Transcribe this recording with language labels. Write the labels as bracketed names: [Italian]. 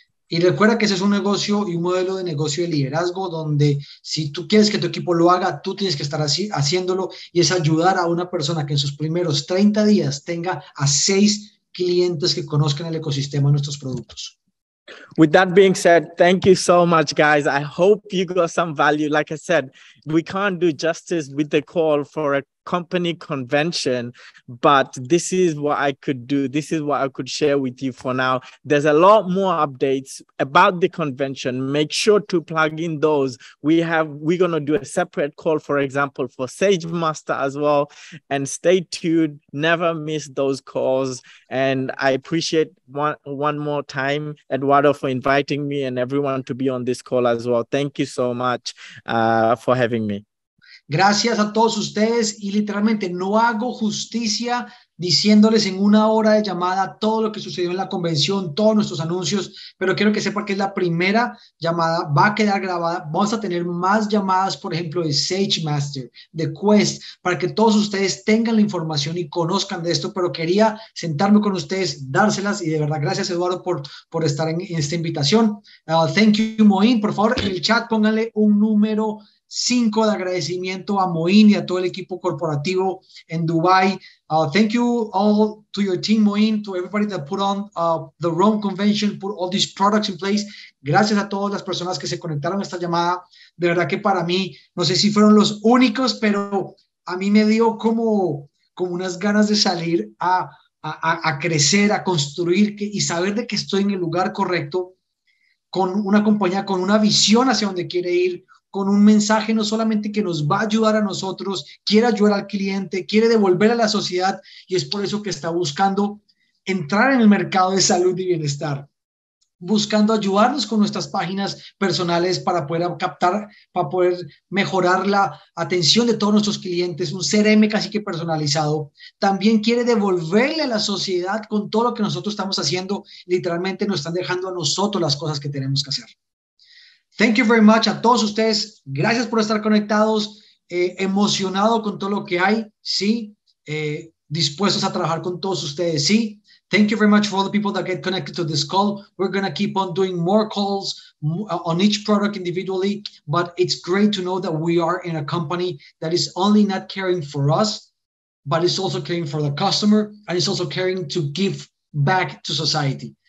[Spanish] Y recuerda que ese es un negocio y un modelo de negocio de liderazgo donde si tú quieres que tu equipo lo haga, tú tienes que estar así haciéndolo, y es ayudar a una persona que en sus primeros 30 días tenga a 6 clientes que conozcan el ecosistema de nuestros productos. [English] With that being said, thank you so much, guys. I hope you got some value. Like I said, we can't do justice with the call for a company convention, but this is what I could do. This is what I could share with you for now. There's a lot more updates about the convention. Make sure to plug in those. We're going to do a separate call, for example, for Sage Master as well. And stay tuned. Never miss those calls. And I appreciate one more time, Eduardo, for inviting me and everyone to be on this call as well. Thank you so much for having me. [Spanish] Gracias a todos ustedes, y literalmente no hago justicia diciéndoles en una hora de llamada todo lo que sucedió en la convención, todos nuestros anuncios, pero quiero que sepan que es la primera llamada, va a quedar grabada. Vamos a tener más llamadas, por ejemplo, de Sage Master, de Quest, para que todos ustedes tengan la información y conozcan de esto, pero quería sentarme con ustedes, dárselas, y de verdad, gracias Eduardo por estar en esta invitación. [English] Thank you, [Spanish] Moyn. Por favor, en el chat pónganle un número 5 de agradecimiento a Moyn y a todo el equipo corporativo en Dubai. [English] Thank you all to your team, Moyn, to everybody that put on the Rome Convention, put all these products in place. [Spanish] Gracias a todas las personas que se conectaron a esta llamada. De verdad que para mí, no sé si fueron los únicos, pero a mí me dio como unas ganas de salir a crecer, a construir, y saber de que estoy en el lugar correcto con una compañía, con una visión hacia donde quiere ir, con un mensaje no solamente que nos va a ayudar a nosotros, quiere ayudar al cliente, quiere devolver a la sociedad, y es por eso que está buscando entrar en el mercado de salud y bienestar. buscando ayudarnos con nuestras páginas personales para poder captar, para poder mejorar la atención de todos nuestros clientes, un CRM casi que personalizado. También quiere devolverle a la sociedad con todo lo que nosotros estamos haciendo. Literalmente nos están dejando a nosotros las cosas que tenemos que hacer. [English] Thank you very much [Spanish] a todos ustedes. Gracias por estar conectados, emocionado con todo lo que hay, sí, dispuestos a trabajar con todos ustedes, sí. [English] Thank you very much for all the people that get connected to this call. We're going to keep on doing more calls on each product individually, but it's great to know that we are in a company that is only not caring for us, but it's also caring for the customer, and it's also caring to give back to society.